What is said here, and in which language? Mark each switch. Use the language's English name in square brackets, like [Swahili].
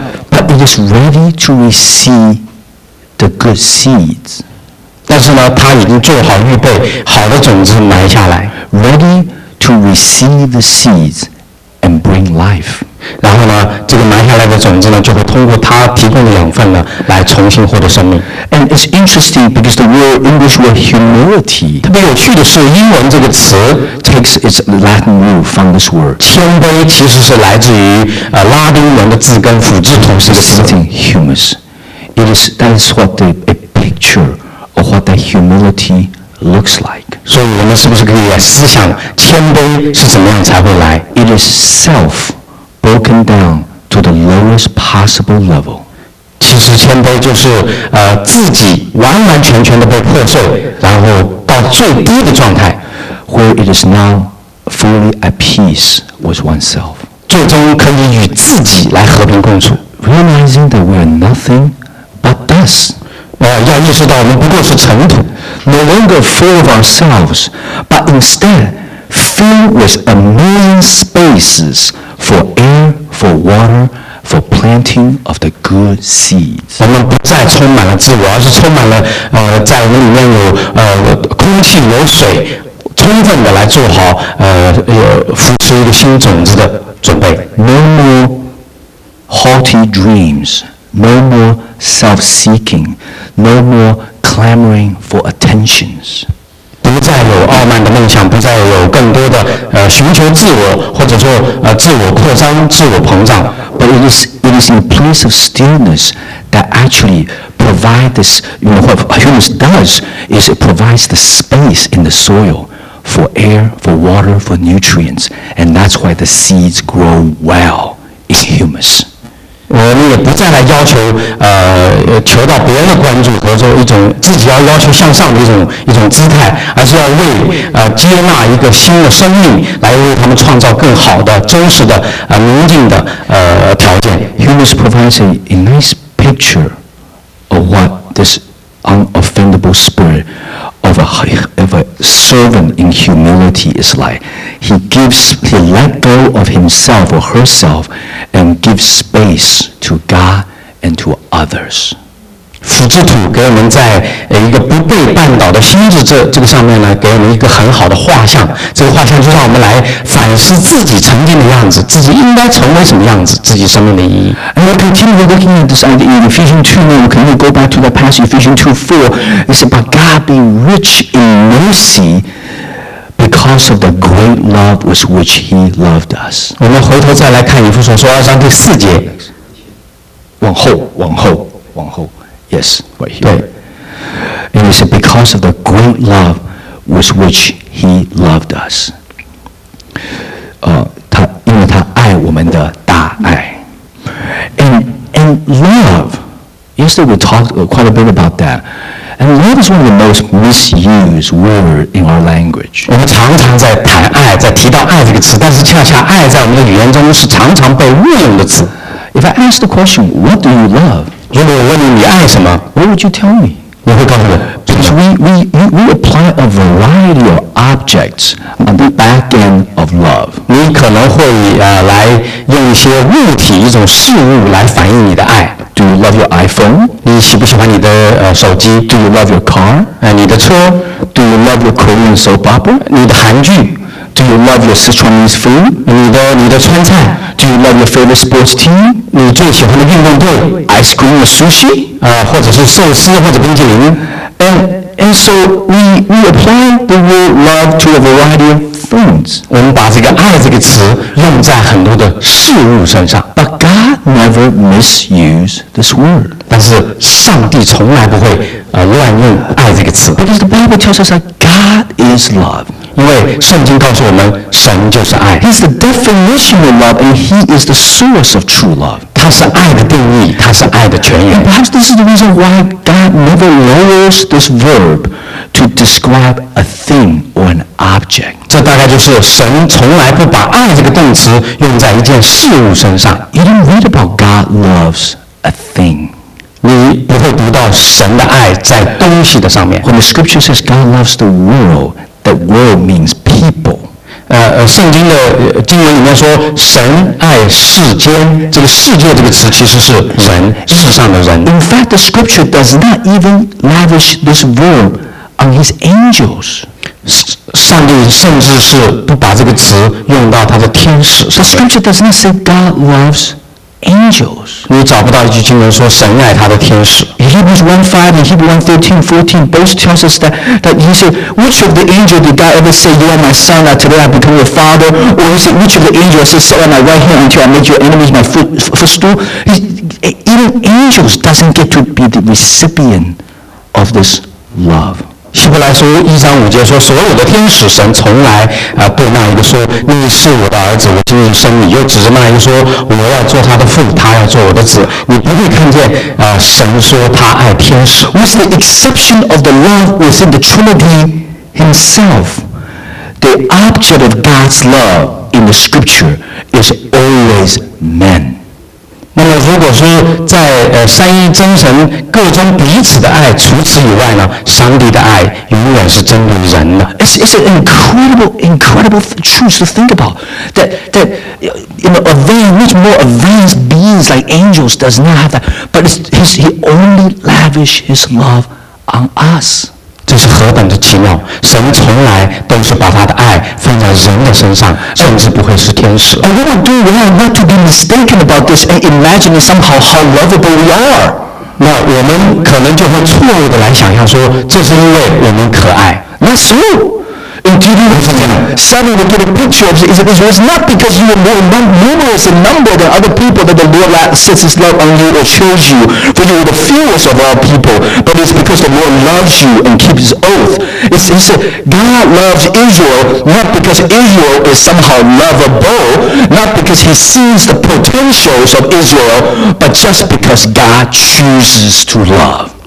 [English] But it is ready to receive the good seeds. [Chinese] 但是呢，他已经做好预备，好的种子埋下来 [English] ，ready to receive the seeds and bring life。 [Chinese] 然后呢，这个埋下来的种子呢，就会通过他提供的养分呢，来重新获得生命。 [English] And it's interesting because the word English word humility。 [Chinese] 特别有趣的是，英文这个词 [English] takes its Latin root from this word。 [Chinese] 谦卑其实是来自于拉丁文的字根腐殖土是一个词。 [English] Something humus. It is. That is what the a picture. Or what that humility looks like. [Chinese] 所以我们是不是可以思想谦卑是怎么样才会来 [English] ？It is self broken down to the lowest possible level. [Chinese] 其实谦卑就是自己完完全全的被破碎，然后到最低的状态 [English] ，where it is now fully at peace with oneself. [Chinese] 最终可以与自己来和平共处 [English] ，realizing that we are nothing but dust. [Chinese] 要意识到我们不过是尘土 [English] ，no longer full of ourselves, but instead filled with a million spaces for air, for water, for planting of the good seeds. [Chinese] 我们不再充满了自我，而是充满了在我们里面有空气、有水，充分的来做好扶持一个新种子的准备。 [English] No more haughty dreams. No more self-seeking, no more clamoring for attentions. [Chinese] 不再有傲慢的梦想，不再有更多的寻求自我，或者说自我扩张、自我膨胀。 [English] But it is in place of stillness that actually provides this. You know what humus does is it provides the space in the soil for air, for water, for nutrients, and that's why the seeds grow well in humus. [Chinese] 我们也不再来要求求到别人的关注和说一种自己要求向上的一种姿态，而是要为接纳一个新的生命，来为他们创造更好的真实的宁静的条件。 [English] Humus provides a nice picture of what this unoffendable spirit of a servant in humility is like. He let go of himself or herself and gives space to God and to others. [Chinese] 腐殖土给我们在一个不被绊倒的心智这个上面呢，给我们一个很好的画像。这个画像就让我们来反思自己曾经的样子，自己应该成为什么样子，自己生命的意义。 [English] And we continue looking at this idea in Ephesians 2, we can go back to the past, Ephesians 2:4, it's about God being rich in mercy. Because of the great love with which He loved us. [Chinese] 我们回头再来看以弗所书二章第四节。往后。 [English] Yes, right here. [Chinese] 对。 [English] And it says, because of the great love with which He loved us. [Chinese] 因为他爱我们的大爱。 [English] And love, yesterday we talked quite a bit about that. And love is one of the most misused words in our language. [Chinese] 我们常常在谈爱，在提到爱这个词，但是恰恰爱在我们的语言中是常常被误用的词。 [English] If I ask the question, "What do you love?" [Chinese] 如果我问你，你爱什么 [English] ？What would you tell me? [Chinese] 你会告诉我 [English] ？Because we apply a variety of objects on the back end of love. [Chinese] 你可能会来用一些物体、一种事物来反映你的爱。 [English] Do you love your iPhone? [Chinese] 你喜不喜欢你的手机 [English] ？Do you love your car? [Chinese] 你的车 [English] ？Do you love your Korean soap opera? [Chinese] 你的韩剧 [English] ？Do you love your Sichuanese food? [Chinese] 你的川菜 [English] ？Do you love your favorite sports team? [Chinese] 你最喜欢的运动队 [English] ？Ice cream or sushi? [Chinese] 或者是寿司或者冰淇淋 [English] ？And so we apply the word love to a variety of things. [Chinese] 我们把这个爱这个词用在很多的事物身上。 [English] But God never misuse this word. [Chinese] 但是上帝从来不会乱用爱这个词。 [English] Because the Bible tells us that God is love. [Chinese] 因为圣经告诉我们，神就是爱。 [English] He's the definition of love, and He is the source of true love. [Chinese] 他是爱的定义，他是爱的泉源。 [English] And perhaps this is the reason why God never lowers this verb. To describe a thing or an object. [Chinese] 这大概就是神从来不把爱这个动词用在一件事物身上。 [English] You don't read about God loves a thing. [Chinese] 你不会读到神的爱在东西的上面。 [English] When the scripture says God loves the world, the world means people. [Chinese] 圣经的经文里面说神爱世间，这个世界这个词其实是人，世上的人。 [English] In fact, the scripture does not even lavish this verb. On his angels, [Chinese] 上帝甚至是不把这个词用到他的天使上面。 [English] The scripture does not say God loves angels. [Chinese] 你找不到一句经文说神爱他的天使。 [English] Hebrews 1:5 and Hebrews 1:13-14 both tells us that he said, "Which of the angels did God ever say, 'You are my son; that today I become your father'?" Or he said, "Which of the angels said, 'Sit on my right hand until I make your enemies my footstool'?" Even angels doesn't get to be the recipient of this love. [Chinese] 希伯来书1:5说，所有的天使神从来对那一个说，你是我的儿子，我今日生你，又指着那一个说，我要做他的父，他要做我的子。你不会看见神说他爱天使。 [English] What's the exception of the love within the Trinity himself? The object of God's love in the scripture is always man. [Chinese] 那么如果说在三一真神各中彼此的爱，除此以外呢，上帝的爱永远是针对人的。 [English] It's an incredible truth to think about that you know, much more advanced beings like angels does not have that, but he only lavish his love on us. [Chinese] 这是何等的奇妙！神从来都是把他的爱放在人的身上，甚至不会是天使。 [English] And what do we want not to be mistaken about this and imagine somehow how lovable we are? [Chinese] 那我们可能就会错误的来想象说，这是因为我们可爱。 [English] That's true. In Deuteronomy 7, we get a picture of it. It was not because you were more numerous in number than other people that the Lord sets his love on you or chose you, for you were the fewest of all people, but it's because the Lord loves you and keeps his oath. He said, God loves Israel not because Israel is somehow lovable, not because he sees the potentials of Israel, but just because God chooses to love.